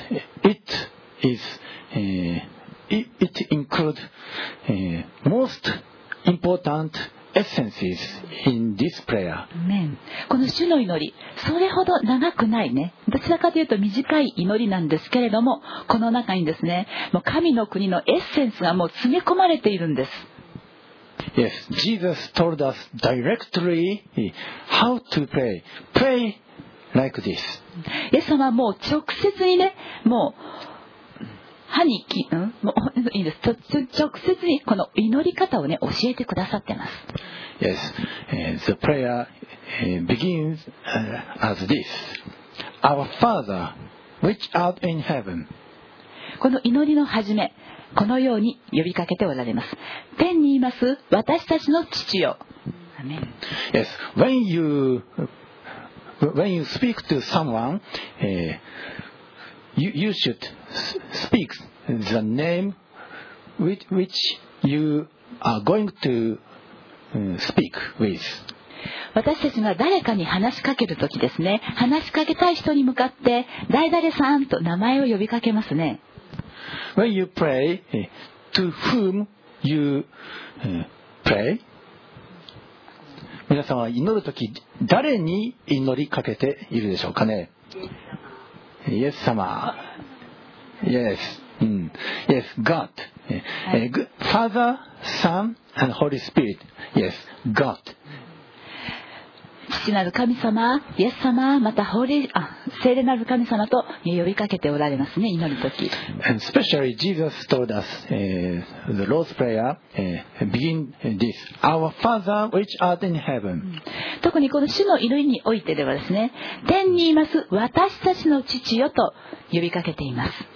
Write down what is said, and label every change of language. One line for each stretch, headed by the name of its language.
English: It isit includes most important essences in this prayer. Amen.
Japanese: この主の祈り、それほど長くないね。どちらかというと短い祈りなんですけれども、この中にですね、もう神の国のエッセンスがもう詰め込まれているんです。
English: Yes, Jesus told us directly how to pray. Pray like this.
Japanese: イエス様はもう直接にね、もう歯にき、うん、もういいです。直接にこの祈り方をね、教えてくださってます。
English: Yes, the prayer begins as this. Our Father, which art in heaven.
Japanese: この祈りの始め、このように呼びかけておられます。天にいます私たちの父よ。
English: Amen. Yes, when you speak to someone, you should speak the name which you are going to speak with.
Japanese: 私たちが誰かに話しかけるときですね、話しかけたい人に向かって誰々さんと名前を呼びかけますね。
English: When you pray, to whom you pray?
Japanese: 皆さんは祈るとき誰に祈りかけているでしょうかね。
English: イエス様。Yes. Yes. God. Father, Son, and Holy Spirit. Yes. God.
Japanese: 父なる神様、イエス様、またホーリー、あ、聖霊なる神様と呼びかけておられますね、祈るとき。
English: And especially Jesus told us, the Lord's Prayer, begin this, Our Father which art in heaven.
Japanese: 特にこの主の祈りにおいてではですね、天にいます私たちの父よと呼びかけています。